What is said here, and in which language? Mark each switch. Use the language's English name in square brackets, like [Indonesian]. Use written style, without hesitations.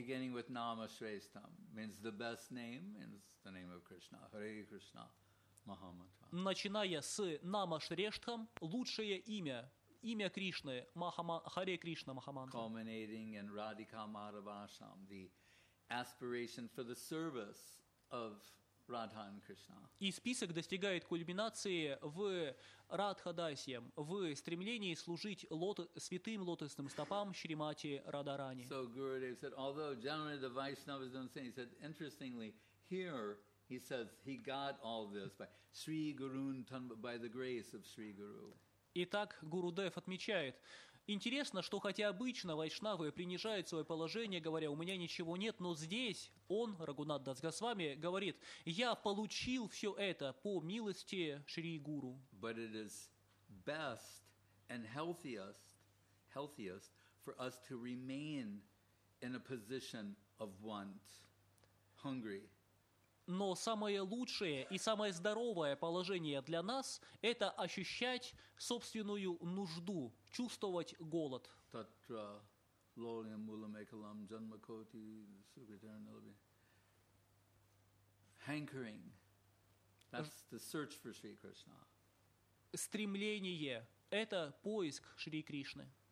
[English] Beginning with Namashrestham means the best name, means the name of Krishna, Hare Krishna, Mahamantra. [Russian] Начиная с Намашрештхам, лучшее имя, имя Кришны, Хари Кришна Махамантра. [English] Culminating in Radhika Madhavasham, the aspiration for the service of Radha and Krishna. [Russian] И список достигает кульминации в Радхадасьям, в стремлении служить святым лотосным стопам Шримати Радарани. [English] So Gurudev said, although generally the Vaishnavas don't say, he said, interestingly, here he says he got all this by Sri Gurun Tanma, by the grace of Sri Guru. [Russian] Итак, Гурудев отмечает, интересно, что хотя обычно вайшнавы принижают свое положение, говоря, у меня ничего нет, но здесь он, Рагунат Дас Госвами, говорит, я получил все это по милости Шри Гуру. [English] But it is best and healthiest for us to remain in a position of want, hungry. [Russian] Но самое лучшее и самое здоровое положение для нас – это ощущать собственную нужду, чувствовать голод. [Sanskrit] Татра, лолиам, мулам, экалам, джанмакоти, сукритарнелаби. [English] Hankering. That's the search for Sri Krishna. [Russian] Стремление – это поиск Шри Кришны.